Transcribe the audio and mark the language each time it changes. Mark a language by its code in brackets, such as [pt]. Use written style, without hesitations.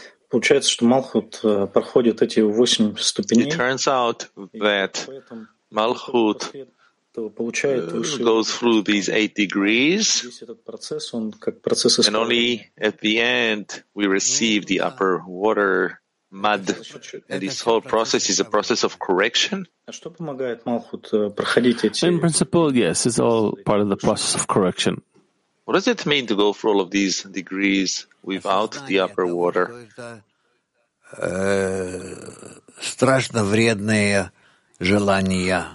[ru] Получается, что Малхут проходит эти восемь ступеней. [en] It turns out that Malchut goes through these 8 degrees, and only at the end we receive the upper water mud. And this whole process is a process of correction. In principle, yes, it's all part of the process of correction. What does it mean to go through all of these degrees without the upper water? [ru] Страшно вредные желания.